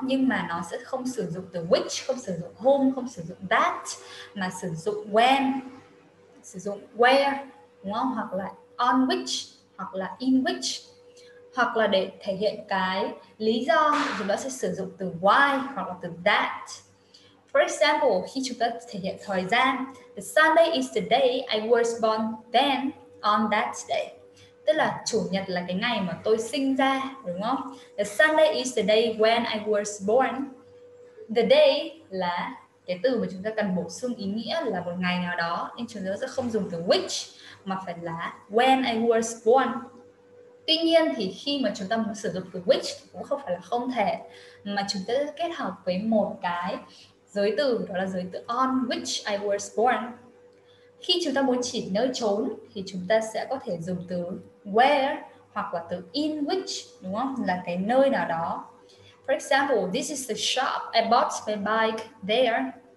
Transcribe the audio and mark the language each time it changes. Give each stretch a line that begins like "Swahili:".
Vietnamese: Nhưng mà nó sẽ không sử dụng từ which, không sử dụng whom, không sử dụng that, mà sử dụng when, sử dụng where, đúng không? Hoặc là on which, hoặc là in which, hoặc là để thể hiện cái lý do thì nó sẽ sử dụng từ why hoặc là từ that.
English: For example,
Vietnamese: khi chúng ta thể hiện thời gian,
English: the Sunday is the day I was born then on that day.
Vietnamese: Tức là chủ nhật là cái ngày mà tôi sinh ra, đúng không?
English: The Sunday is the day when I was born.
Vietnamese: The day là cái từ mà chúng ta cần bổ sung ý nghĩa là một ngày nào đó, nên chúng ta sẽ không dùng từ which, mà phải là
English: when I was born.
Vietnamese: Tuy nhiên thì khi mà chúng ta muốn sử dụng từ which thì cũng không phải là không thể, mà chúng ta kết hợp với một cái giới từ, đó là giới từ
English: on which I was born.
Vietnamese: Khi chúng ta muốn chỉ nơi chốn thì chúng ta sẽ có thể dùng từ where hoặc là từ in which, đúng không? Là cái nơi nào đó.
English: For example, this is the shop I bought my bike there.